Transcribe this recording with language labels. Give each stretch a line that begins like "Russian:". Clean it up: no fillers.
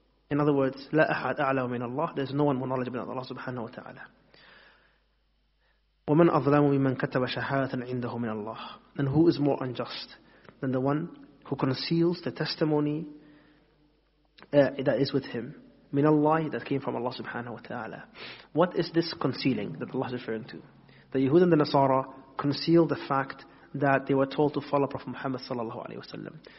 English: In other words,
Arabic: لا أحد أعلم من الله.
English: There's no one more knowledgeable than Allah subhanahu wa ta'ala.
Arabic: ومن أظلم ممن كتب شهادة عنده من الله.
English: And who is more unjust than the one who conceals the testimony that is with him
Arabic: من الله,
English: that came from Allah subhanahu wa ta'ala. What is this concealing that Allah is referring to? The Yahud and the Nasara concealed the fact that they were told to follow Prophet Muhammad sallallahu alayhi wasallam.